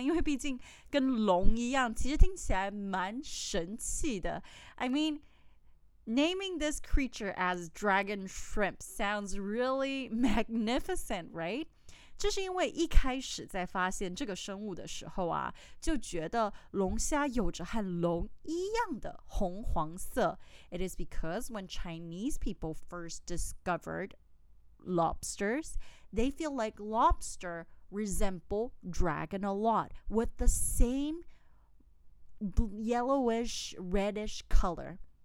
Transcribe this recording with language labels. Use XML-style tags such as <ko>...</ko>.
<zh>因为毕竟跟龙一样，其实听起来蛮神奇的。</zh> <en>I mean, naming this creature as dragon shrimp sounds really magnificent, right?</en> <zh>这是因为一开始在发现这个生物的时候啊，就觉得龙虾有着和龙一样的红黄色。</zh> <en>It is because when Chinese people first discovered lobsters, they feel like lobster resemble dragon a lot, with the same yellowish, reddish color.</en>